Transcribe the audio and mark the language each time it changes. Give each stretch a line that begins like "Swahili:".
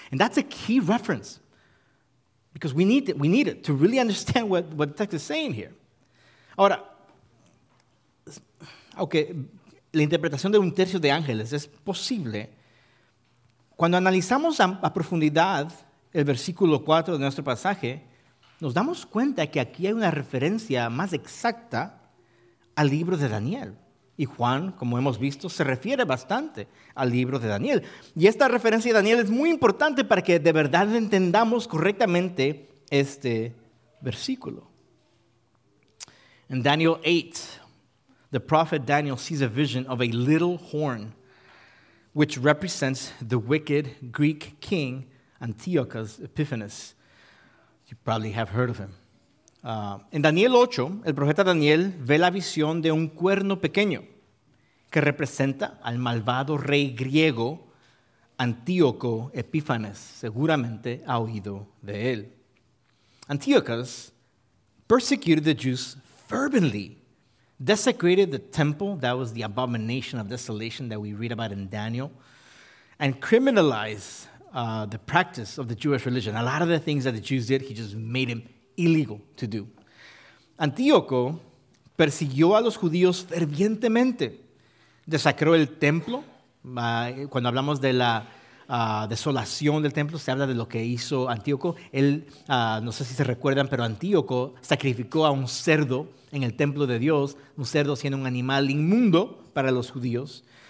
English: And that's a key reference, because we need it to really understand what the text is saying here.
Spanish: Ahora, okay, la interpretación de un tercio de ángeles es posible. Cuando analizamos a profundidad el versículo 4 de nuestro pasaje, nos damos cuenta que aquí hay una referencia más exacta al libro de Daniel. Y Juan, como hemos visto, se refiere bastante al libro de Daniel. Y esta referencia de Daniel es muy importante para que de verdad entendamos correctamente este versículo. En Daniel 8,
English: the prophet Daniel sees a vision of a little horn, which represents the wicked Greek king Antiochus Epiphanes. You probably have heard of him.
Spanish: En Daniel 8, el profeta Daniel ve la visión de un cuerno pequeño que representa al malvado rey griego Antíoco Epífanes. Seguramente ha oído de él.
English: Antiochus persecuted the Jews fervently, desecrated the temple, that was the abomination of desolation that we read about in Daniel, and criminalized the practice of the Jewish religion. A lot of the things that the Jews did, he just made them illegal to do.
Spanish: Antíoco persiguió a los judíos fervientemente, desacró el templo. Cuando hablamos de la desolación del templo, se habla de lo que hizo Antíoco. Él, no sé si se recuerdan, pero Antíoco sacrificó a un cerdo en el templo de Dios, un cerdo siendo un animal inmundo para los judíos.